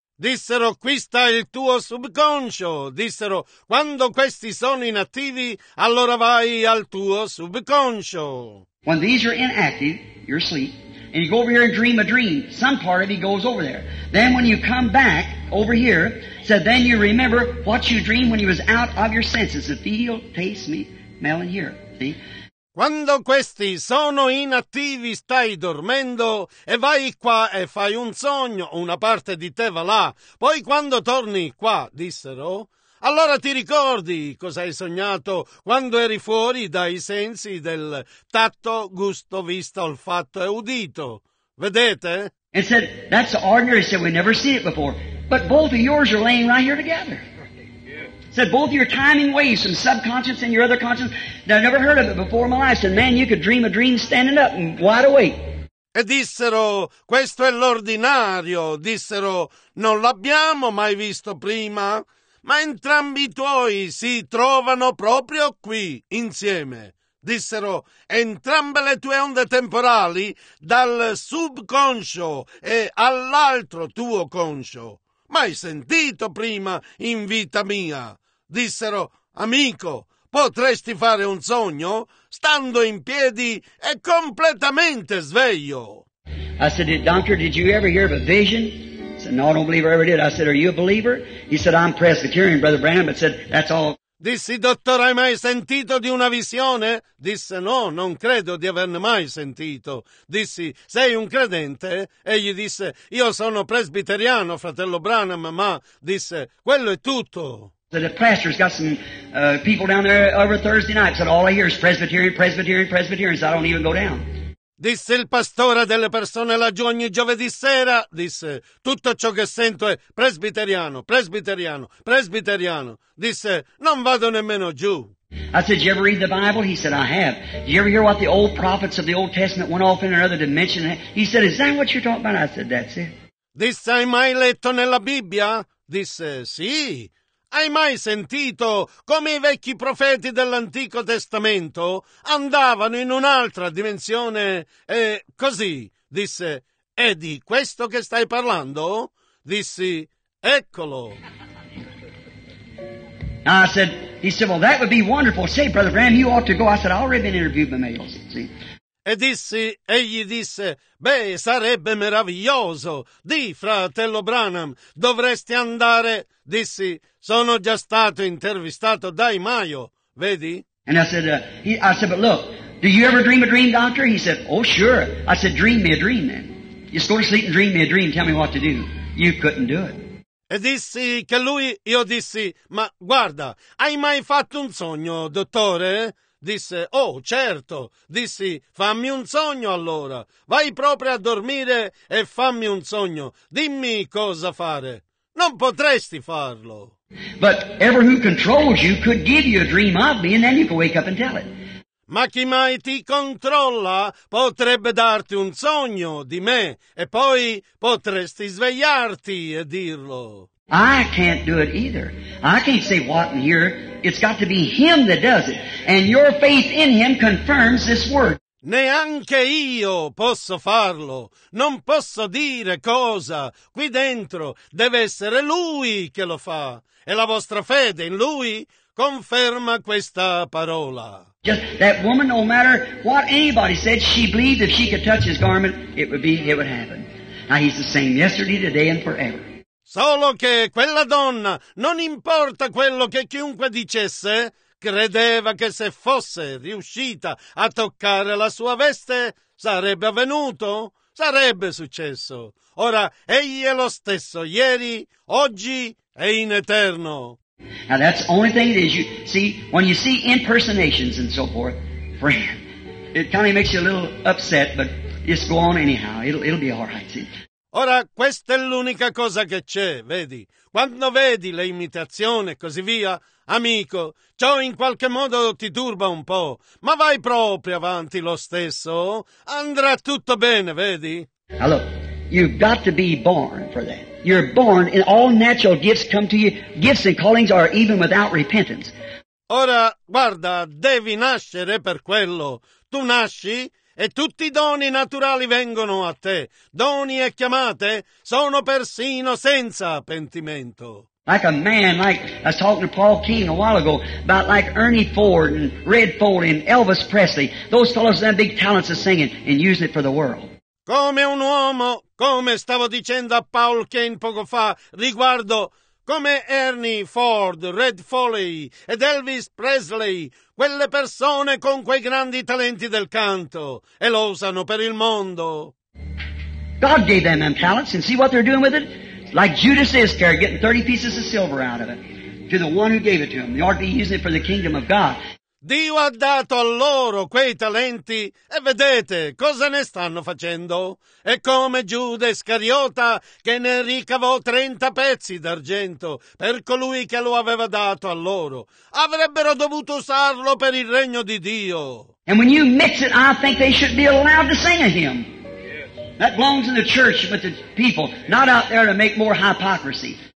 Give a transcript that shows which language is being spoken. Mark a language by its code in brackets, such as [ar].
[it] Dissero, qui sta il tuo subconscio. Dissero, quando questi sono inattivi, allora vai al tuo subconscio. [en] When these are inactive, you're asleep, and you go over here and dream a dream, some part of you goes over there. Then when you come back over here, said, then you remember what you dreamed when you was out of your senses. The feel, taste, me, smell, and hear. See? [it] Quando questi sono inattivi stai dormendo e vai qua e fai un sogno, una parte di te va là. Poi quando torni qua, dissero, allora ti ricordi cosa hai sognato quando eri fuori dai sensi del tatto, gusto, vista, olfatto e udito. Vedete? [en] And said, that's ordinary. Said, we never seen it before. But both of yours are laying right here together. Said, both your timing waves from subconscious and your other conscious, that I never heard of it before in my life. Said, man, you could dream a dream standing up and wide awake. [it] E dissero, questo è l'ordinario. Dissero, non l'abbiamo mai visto prima, ma entrambi i tuoi si trovano proprio qui, insieme. Dissero, entrambe le tue onde temporali dal subconscio e all'altro tuo conscio. Mai sentito prima in vita mia. Dissero, amico, potresti fare un sogno stando in piedi e completamente sveglio. [en] I said, doctor, did you ever hear of a vision? He said, no, I don't believe I ever did. I said, are you a believer? He said, I'm Presbyterian, Brother Branham, but said, that's all. [it] Dissi, dottore, hai mai sentito di una visione? Disse, no, non credo di averne mai sentito. Dissi, sei un credente? Egli disse, io sono presbiteriano, fratello Branham, ma, disse, quello è tutto. [en] The pastor's got some people down there every Thursday night. Said, all I hear is Presbyterian, Presbyterian, Presbyterian, so I don't even go down. [it] Disse il pastore delle persone laggiù ogni giovedì sera, disse, tutto ciò che sento è presbiteriano, presbiteriano, presbiteriano. Disse, non vado nemmeno giù. [en] I said, you ever read the Bible? He said, I have. You ever hear what the old prophets of the Old Testament went off in another dimension? He said, is that what you're talking about? I said, that's it. [it] Disse, hai mai letto nella Bibbia? Disse, sì. Hai mai sentito come i vecchi profeti dell'Antico Testamento andavano in un'altra dimensione e così? Disse, è di questo che stai parlando? Dissi, eccolo. [en] I said, he said, well, that would be wonderful. Say, Brother Graham, you ought to go. I said, I've already been interviewed by mail. See? [it] E dissi, egli disse, beh, sarebbe meraviglioso. Di, fratello Branham, dovresti andare. Dissi, sono già stato intervistato dai Maio, vedi? [en] And I said, but look, do you ever dream a dream, doctor? He said, oh, sure. I said, dream me a dream, then. Just go to sleep and dream me a dream, tell me what to do. You couldn't do it. [it] E dissi che lui, io dissi, ma guarda, hai mai fatto un sogno, dottore? Disse, oh, certo. Dissi, fammi un sogno allora. Vai proprio a dormire e fammi un sogno. Dimmi cosa fare. Non potresti farlo. [en] But ever who controls you could give you a dream of me and then you could wake up and tell it. [it] Ma chi mai ti controlla potrebbe darti un sogno di me e poi potresti svegliarti e dirlo. [en] I can't do it either. I can't say what in here. It's got to be him that does it. And your faith in him confirms this word. [it] Neanche io posso farlo. Non posso dire cosa. Qui dentro deve essere lui che lo fa. E la vostra fede in lui conferma questa parola. [en] Just that woman, no matter what anybody said, she believed if she could touch his garment, it would happen. Now he's the same yesterday, today and forever. [it] Solo che quella donna, non importa quello che chiunque dicesse, credeva che se fosse riuscita a toccare la sua veste, sarebbe avvenuto, sarebbe successo. Ora, egli è lo stesso, ieri, oggi e in eterno. [en] Now that's the only thing that you see, when you see impersonations and so forth, friend, it kind of makes you a little upset, but just go on anyhow, it'll be all right, see. [it] Ora, questa è l'unica cosa che c'è, vedi. Quando vedi le imitazioni e così via, Amico, ciò in qualche modo ti turba un po', ma vai proprio avanti lo stesso. Andrà tutto bene, vedi? Allora, [en] you've got to be born for that. You're born and all natural gifts come to you. Gifts and callings are even without repentance. [it] Ora, guarda, devi nascere per quello. Tu nasci e tutti i doni naturali vengono a te. Doni e chiamate sono persino senza pentimento. [en] Like a man, like I was talking to Paul Keene a while ago, about like Ernie Ford and Red Foley and Elvis Presley. Those fellows have big talents of singing and using it for the world. [it] Come un uomo, come stavo dicendo a Paul Keene poco fa, riguardo come Ernie Ford, Red Foley ed Elvis Presley, quelle persone con quei grandi talenti del canto, e lo usano per il mondo. [en] God gave them talents, and see what they're doing with it? Like Judas Iscariot getting 30 pieces of silver out of it to the one who gave it to him. They ought to be using it for the kingdom of God. [it] Dio ha dato a loro quei talenti e vedete cosa ne stanno facendo. È come Giuda Iscariota che ne ricavò 30 pezzi d'argento per colui che lo aveva dato a loro. Avrebbero dovuto usarlo per il regno di Dio. [en] And when you mix it, I think they should be allowed to sing a hymn. That belongs in the church with the people, not out there to make more hypocrisy.